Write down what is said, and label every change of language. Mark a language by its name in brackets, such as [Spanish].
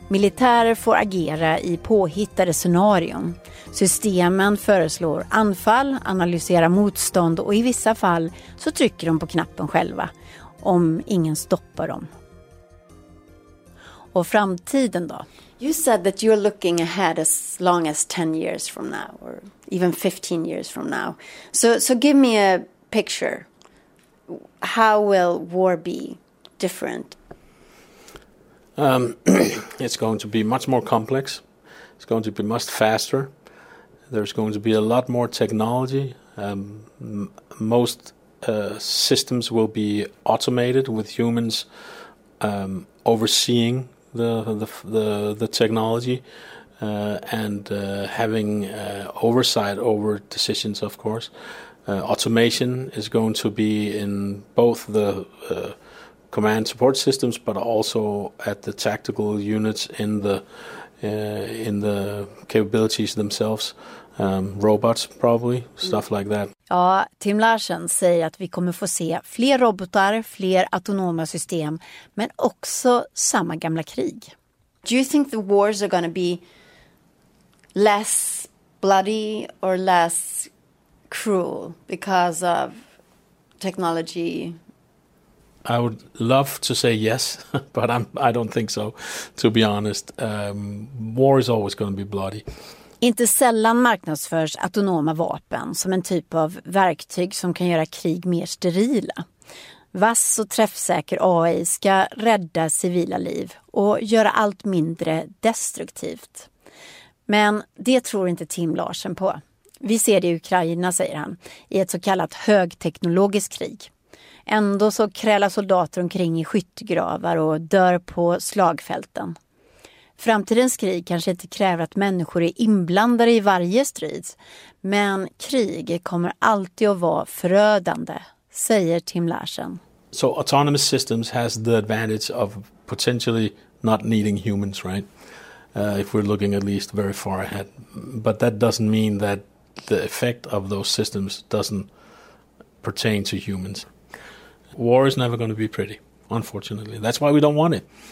[Swedish] Militärer får agera i påhittade scenarion. Systemen föreslår anfall, analyserar motstånd och i vissa fall så trycker de på knappen själva om ingen stoppar dem. Och framtiden då? [English] You said that you're looking ahead as long as 10 years from now or even 15 years from now. So give me a picture. How will war be different? It's going to be much more complex. It's going to be much faster. There's going to be a lot more technology. Most systems will be automated with humans overseeing the technology and having oversight over decisions, of course. Automation is going to be in both the command support systems, but also at the tactical units in the capabilities themselves. Robots, probably, stuff like that. [Swedish] Ja, Tim Larsen säger att vi kommer få se fler robotar, fler autonoma system, men också samma gamla krig. [English] Do you think the wars are going to be less bloody or less cruel because of technology? I would love to say yes, but I don't think so, to be honest. War is always going to be bloody. [Swedish] Inte sällan marknadsförs autonoma vapen som en typ av verktyg som kan göra krig mer sterila. Vass och träffsäker AI ska rädda civila liv och göra allt mindre destruktivt. Men det tror inte Tim Larsen på. Vi ser det i Ukraina, säger han, i ett så kallat högteknologiskt krig. Ändå så krälar soldater omkring i skyttegravar och dör på slagfälten. Framtidens krig kanske inte kräver att människor är inblandade i varje strid. Men krig kommer alltid att vara förödande, säger Tim Larsen. [English] So autonomous systems has the advantage of potentially not needing humans, right? If we're looking at least very far ahead. But that doesn't mean that the effect of those systems doesn't pertain to humans. War is never going to be pretty, unfortunately. That's why we don't want it.